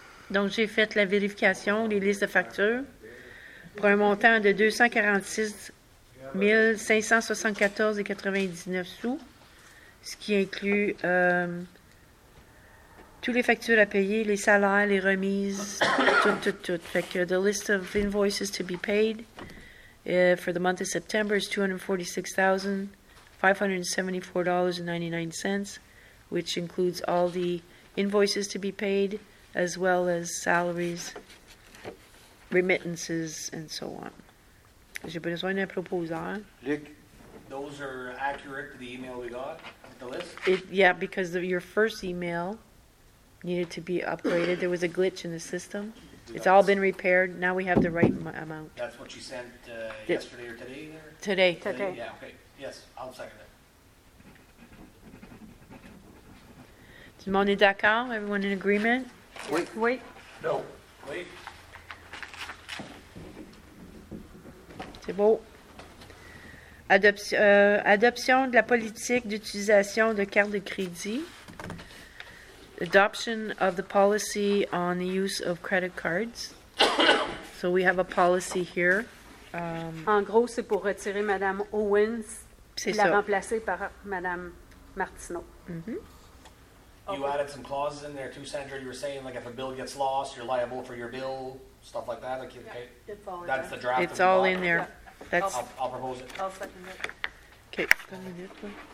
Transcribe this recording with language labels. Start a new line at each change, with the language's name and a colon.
French: Donc, j'ai fait la vérification, les listes de factures, pour un montant de 246 574,99 sous, ce qui inclut tous les factures à payer, les salaires, les remises, tout. Fait que
English: the list of invoices to be paid for the month of September is 246,574.99, which includes all the invoices to be paid, as well as salaries, remittances, and so on.
French: J'ai besoin d'un proposeur. Luc.
English: Those are accurate to the email we got. The list? Yeah, because of your first email needed to be upgraded. There was a glitch in the system. It's all been repaired. Now we have the right amount. That's what you sent yesterday or today? Today. Today. Today. Yeah, okay. Yes, I'll second it.
French: Tout le monde est d'accord?
English: Everyone in agreement?
French: Oui. Oui.
English: No.
French: Oui. C'est beau. Adoption de la politique d'utilisation de cartes de crédit.
English: Adoption of the policy on the use of credit cards. So we have a policy here.
French: En gros, c'est pour retirer Mme Owens et la remplacer par Mme Martineau. Mm-hmm.
English: You added some clauses in there too, Sandra. You were saying, like, if a bill gets lost, you're liable for your bill, stuff like that. Like, okay, that's the draft. It's all in there. Yeah. That's I'll propose it. I'll second it. Okay.